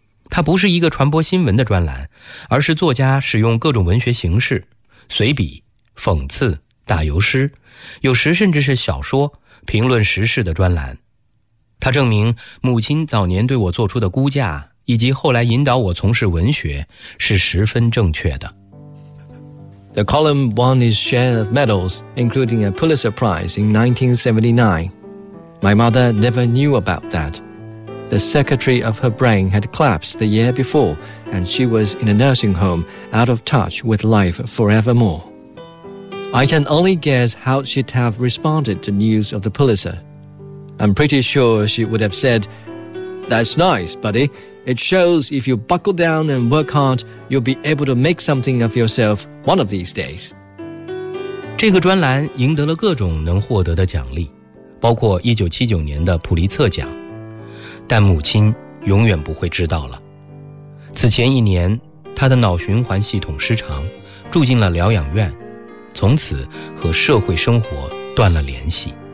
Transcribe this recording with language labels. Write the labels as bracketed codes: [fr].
[zh] 它不是一个传播新闻的专栏，而是作家使用各种文学形式，随笔、讽刺、打油诗，有时甚至是小说评论时事的专栏。它证明母亲早年对我做出的估价以及后来引导我从事文学是十分正确的。 [en] The column won its share of medals, including a Pulitzer Prize in 1979. My mother never knew about that. The circuitry of her brain had collapsed the year before, and she was in a nursing home, out of touch with life forevermore. I can only guess how she'd have responded to news of the Pulitzer. I'm pretty sure she would have said, "That's nice, buddy. It shows if you buckle down and work hard, you'll be able to make something of yourself one of these days." [zh] 这个专栏赢得了各种能获得的奖励，包括1979年的普利策奖，但母亲永远不会知道了。此前一年，她的脑循环系统失常，住进了疗养院，从此和社会生活断了联系。